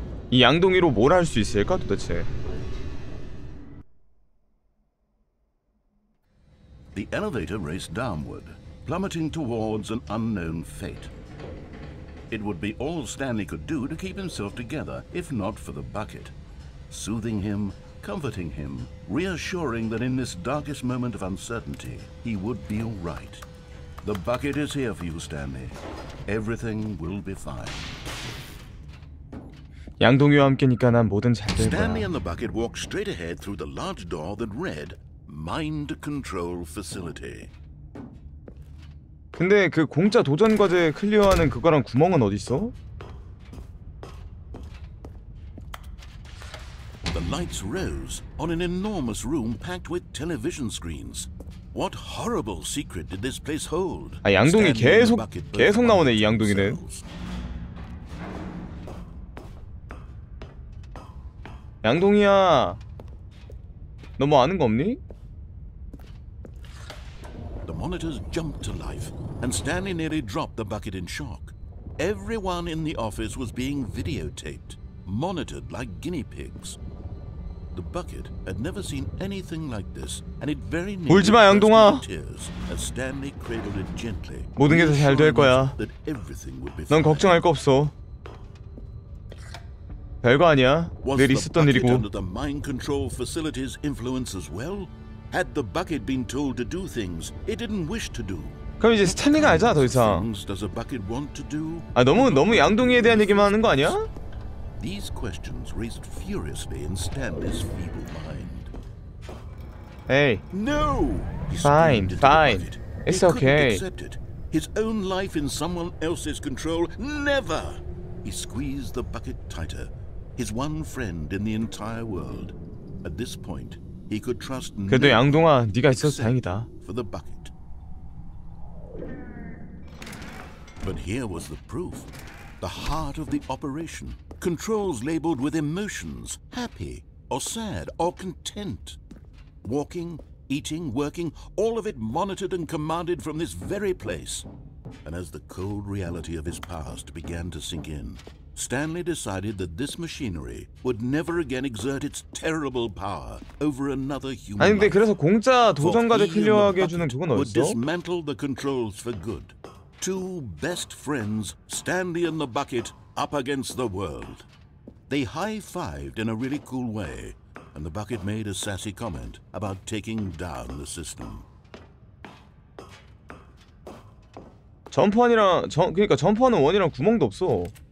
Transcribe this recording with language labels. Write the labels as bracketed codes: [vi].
[ko] 이 양동이로 뭘 할 수 있을까 도대체? [en] The elevator raced downward, plummeting towards an unknown fate. It would be all Stanley could do to keep himself together, if not for the bucket. Soothing him, comforting him, reassuring that in this darkest moment of uncertainty, he would be all right. The bucket is here for you, Stanley. Everything will be fine. [ko] 양동이와 함께니까 난 뭐든 잘 될 거야. [en] Stanley and the bucket walked straight ahead through the large door that read Mind Control Facility. [ko] 근데 그 공짜 도전 과제 클리어하는 그거랑 구멍은 어디 있어? [en] The lights rose on an enormous room packed with television screens. What horrible secret did this place hold? [ko] 아, 양동이 계속 나오네 이 양동이는. Yangdong이야, 너 뭐 아는 거 없니? [en] The monitors jumped to life, and Stanley nearly dropped the bucket in shock. Everyone in the office was being videotaped, monitored like guinea pigs. The bucket had never seen anything like this, and it very nearly burst into tears as Stanley cradled it gently. [ko] 모든 게 다 잘 될 거야. 넌 걱정할 거 없어. 별거 아니야. 늘 있었던 일이고. [en] Was the bucket under the mind control facility's influence as well? Had the bucket been told to do things it didn't wish to do? [ko] 그럼 이제 스탠리가 알잖아 더 이상. [en] Does a bucket want to do? [ko] 아 너무 양동이에 대한 얘기만 하는 거 아니야? [en] These questions raised furiously in Stanley's feeble mind. Hey. No. Fine. It's okay. His own life in someone else's control? Never! He squeezed the bucket tighter. His one friend in the entire world. At this point, he could trust no one. [ko] 그래도 양동아, 네가 있어서 다행이다. [en] For the bucket. But here was the proof. The heart of the operation. Controls labeled with emotions. Happy, or sad, or content. Walking, eating, working, all of it monitored and commanded from this very place. And as the cold reality of his past began to sink in, Stanley decided that this machinery would never again exert its terrible power over another human. [ko] 아니 근데 그래서 공짜 도전 과제 클리어하게 해 주는 그건 어딨어? [en] Dismantle the controls for good. Two best friends, Stanley and the bucket, up against the world. They high-fived in a really cool way. And the bucket made a sassy comment about taking down the system. [ko] 점프환이랑 그러니까 점프환은 원이랑 구멍도 없어.